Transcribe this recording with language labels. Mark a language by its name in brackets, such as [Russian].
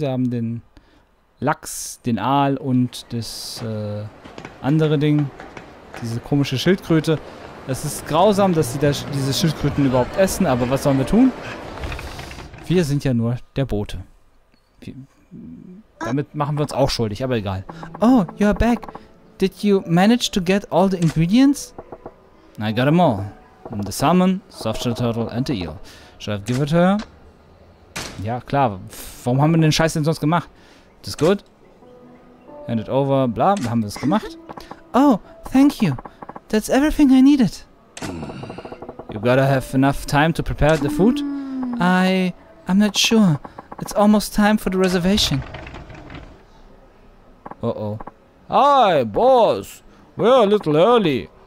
[German] Wir haben den Lachs, den Aal und das andere Ding. Diese komische Schildkröte. Es ist grausam, dass sie diese Schildkröten überhaupt essen, aber was sollen wir tun? Wir sind ja nur der Bote. Damit machen wir uns auch schuldig, aber egal. [English] Oh, you're back. Did you manage to get all the ingredients? I got them all. The salmon, softshell turtle and the eel. Should I give it to her? [German] Ja, klar. Warum haben wir den Scheiß denn sonst gemacht? Das ist gut. [English] Hand it over, [German] bla, haben wir es gemacht. [English] Oh, thank you. That's everything I needed. You gotta have enough time to prepare the food? I'm not sure. It's almost time for the reservation. Uh-oh. Hi, boss. We're a little early.